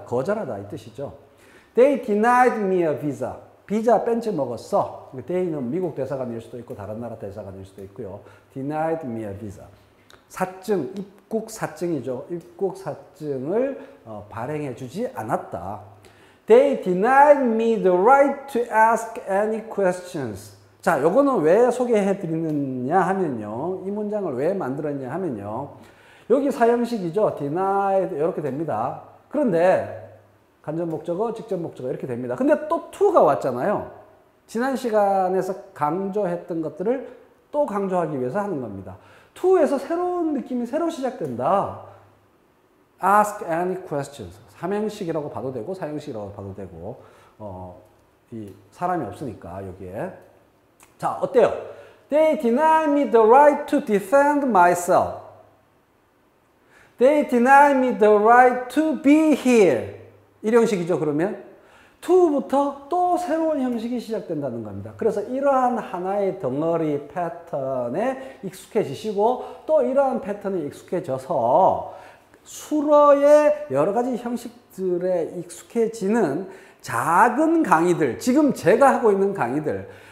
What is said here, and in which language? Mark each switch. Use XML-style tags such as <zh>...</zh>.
<ko>거절하다 이 뜻이죠.</ko> <en>They denied me a visa.</en> <ko>비자 뺀지 먹었어. They는 미국 대사관일 수도 있고 다른 나라 대사관일 수도 있고요.</ko> <en>Denied me a visa.</en> <ko>사증, 입국 사증이죠. 입국 사증을 발행해 주지 않았다.</ko> <en>They denied me the right to ask any questions.</en> <ko>자, 요거는 왜 소개해 드리느냐 하면요. 이 문장을 왜 만들었냐 하면요. 여기 사형식이죠. denied 이렇게 됩니다. 그런데 간접 목적어, 직접 목적어 이렇게 됩니다. 근데 또 to가 왔잖아요. 지난 시간에서 강조했던 것들을 또 강조하기 위해서 하는 겁니다. to에서 새로운 느낌이 새로 시작된다.</ko> <en>ask any questions.</en> <ko>삼형식이라고 봐도 되고 사형식이라고 봐도 되고 이 사람이 없으니까 여기에 자 어때요?</ko> <en>They deny me the right to defend myself. They deny me the right to be here.</en> <ko>일형식이죠 그러면 to부터 또 새로운 형식이 시작된다는 겁니다. 그래서 이러한 하나의 덩어리 패턴에 익숙해지시고 또 이러한 패턴에 익숙해져서 수러의 여러 가지 형식들에 익숙해지는 작은 강의들, 지금 제가 하고 있는 강의들,</ko>